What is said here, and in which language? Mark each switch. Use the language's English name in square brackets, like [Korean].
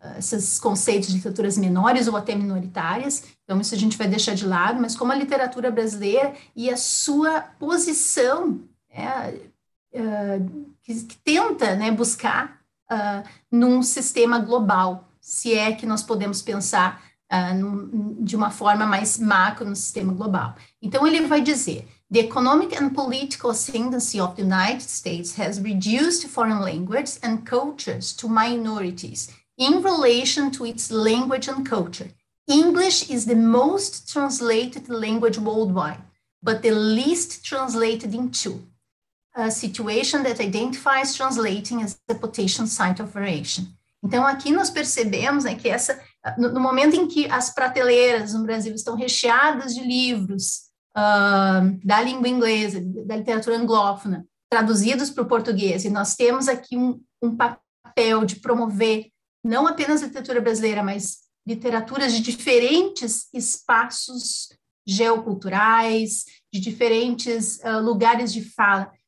[Portuguese] esses conceitos de literaturas menores ou até minoritárias, então isso a gente vai deixar de lado, mas como a literatura brasileira e a sua posição, que tenta, né, buscar num sistema global, se é que nós podemos pensar de uma forma mais macro no sistema global. [English] Então ele vai dizer: "The economic and political ascendancy of the United States has reduced foreign languages and cultures to minorities in relation to its language and culture. English is the most translated language worldwide, but the least translated into, a situation that identifies translating as a potential site of variation." [Portuguese] Então, aqui nós percebemos, né, que essa, no momento em que as prateleiras no Brasil estão recheadas de livros da língua inglesa, da literatura anglófona, traduzidos para o português, e nós temos aqui um papel de promover não apenas literatura brasileira, mas literaturas de diferentes espaços geoculturais, de diferentes lugares de fala.